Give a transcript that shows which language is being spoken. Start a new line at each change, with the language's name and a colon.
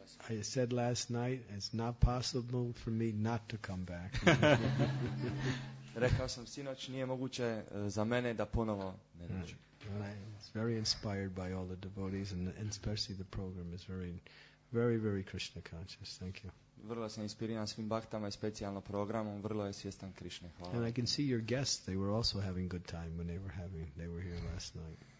English: I said last night, it's not possible for me not to come back.
Croatian: Rekao sam sinoć, nije moguće za mene da ponovo ne dođem.
English: Well, I'm very inspired by all the devotees and especially the program is very, very, very Krishna conscious. Thank you.
Croatian: Vrlo sam inspiriran svim baktama i specijalno programom, vrlo je svjestan Krišne. Hvala.
English: And I can see your guests, they were also having good time when they were here last night.